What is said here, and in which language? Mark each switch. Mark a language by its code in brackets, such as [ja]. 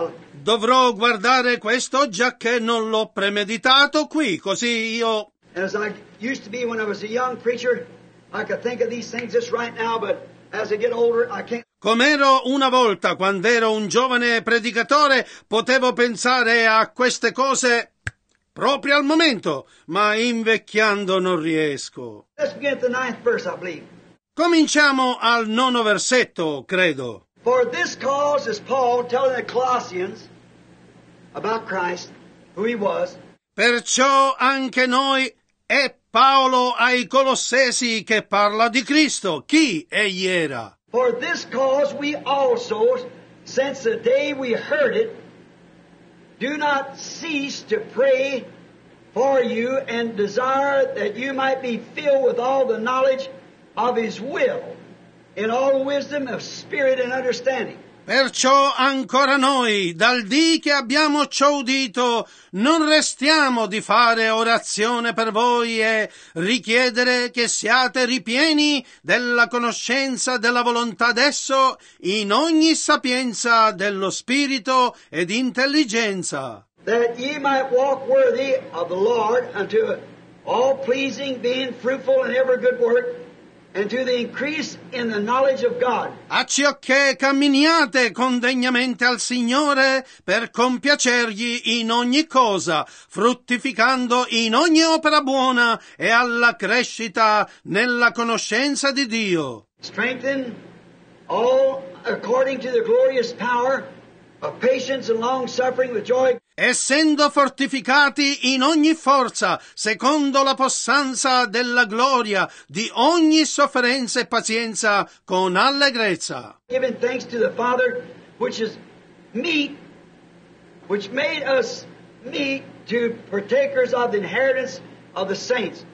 [it] Dovrò guardare questo già che non l'ho premeditato qui, così io. [en] As I used to be when I was a young preacher, I could think of these things just right now, but as I get older, I can't. [it] Com'ero una volta quando ero un giovane predicatore, potevo pensare a queste cose proprio al momento, ma invecchiando non riesco. [en] Let's begin at the ninth verse, I believe. [it] Cominciamo al nono versetto, credo. [en] For this cause is Paul telling the Colossians about Christ, who he was. [it] Perciò anche noi è Paolo ai Colossesi che parla di Cristo, chi egli era. [en] For this cause we also, since the day we heard it, do not cease to pray for you and desire that you might be filled with all the knowledge of his will. In all wisdom of spirit and understanding. [it] Perciò ancora noi, dal dì che abbiamo ciò udito, non restiamo di fare orazione per voi e richiedere che siate ripieni della conoscenza della volontà d'esso in ogni sapienza dello spirito ed intelligenza. [en] That ye might walk worthy of the Lord unto all pleasing, being fruitful in every good work. And to the increase in the knowledge of God. [it] Accioché camminiate condegnamente al Signore per compiacergli in ogni cosa, fruttificando in ogni opera buona e alla crescita nella conoscenza di Dio. [en] Strengthen all according to the glorious power of patience and long suffering with joy. [it] Essendo fortificati in ogni forza, secondo la possanza della gloria, di ogni sofferenza e pazienza, con allegrezza. [en] Giving thanks to the Father, which is meet, which made us meet to partakers of the inheritance of the saints.